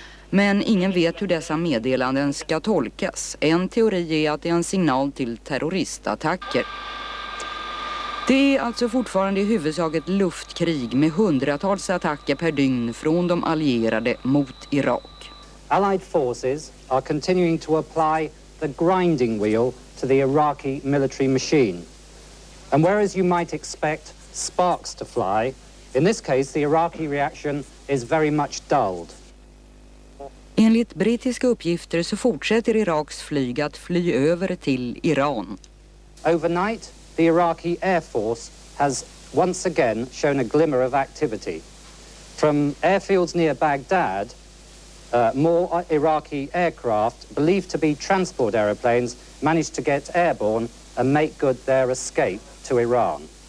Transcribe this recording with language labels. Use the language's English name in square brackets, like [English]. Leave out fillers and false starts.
[Swedish] Men ingen vet hur dessa meddelanden ska tolkas. En teori är att det är en signal till terroristattacker. Det är alltså fortfarande i huvudsak ett luftkrig med hundratals attacker per dygn från de allierade mot Irak. [English] Allied forces are continuing to apply the grinding wheel to the Iraqi military machine. And whereas you might expect sparks to fly, in this case the Iraqi reaction is very much dulled. [Swedish] Enligt brittiska uppgifter så fortsätter Iraks flyg att fly över till Iran. [English] Overnight, the Iraqi Air Force has once again shown a glimmer of activity. From airfields near Baghdad, more Iraqi aircraft, believed to be transport aeroplanes, managed to get airborne and make good their escape to Iran.